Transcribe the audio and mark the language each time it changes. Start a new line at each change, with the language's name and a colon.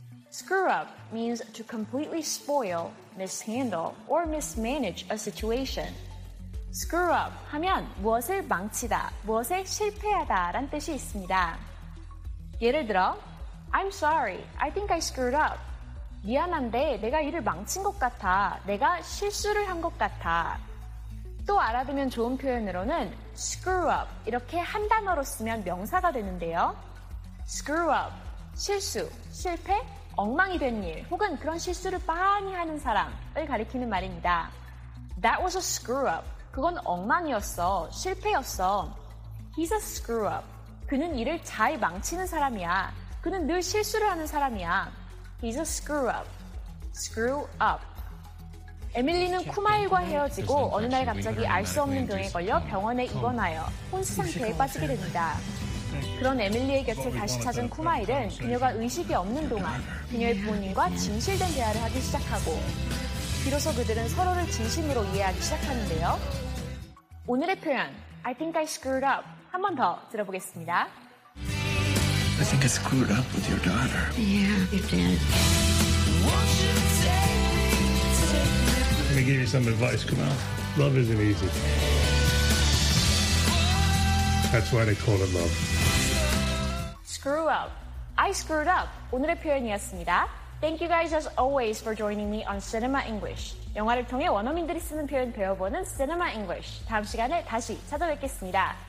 English: Screw up means to completely spoil, mishandle, or mismanage a situation.
Korean: Screw up 하면 무엇을 망치다, 무엇에 실패하다 라는 뜻이 있습니다. 예를 들어,
English: I'm sorry, I think I screwed up.
Korean: 미안한데 내가 일을 망친 것 같아, 내가 실수를 한 것 같아. 또 알아두면 좋은 표현으로는 screw up 이렇게 한 단어로 쓰면 명사가 되는데요. Screw up, 실수, 실패, 엉망이 된 일 혹은 그런 실수를 많이 하는 사람을 가리키는 말입니다.
English: That was a screw up.
Korean: 그건 엉망이었어. 실패였어.
English: He's a screw up.
Korean: 그는 일을 잘 망치는 사람이야. 그는 늘 실수를 하는 사람이야.
English: He's a screw up. Screw up.
Korean: 에밀리는 쿠마일과 헤어지고 어느 날 갑자기 알 수 없는 병에 걸려 병원에 입원하여 혼수 상태에 빠지게 됩니다. 그런 에밀리의 곁을 다시 찾은 쿠마일은 그녀가 의식이 없는 동안 그녀의 부모님과 진실된 대화를 하기 시작하고 비로소 그들은 서로를 진심으로 이해하기 시작하는데요. 오늘의 표현
English: I think I screwed up
Korean: 한 번 더 들어보겠습니다.
English: I think I screwed up with your daughter. Yeah, you did. Let me give you some advice, Kumail. Love isn't easy. That's why they call it love. Screw up. I screwed up.
Korean: 오늘의 표현이었습니다.
English: Thank you guys as always for joining me on Cinema English.
Korean: 영화를 통해 원어민들이 쓰는 표현 배워보는 Cinema English. 다음 시간에 다시 찾아뵙겠습니다.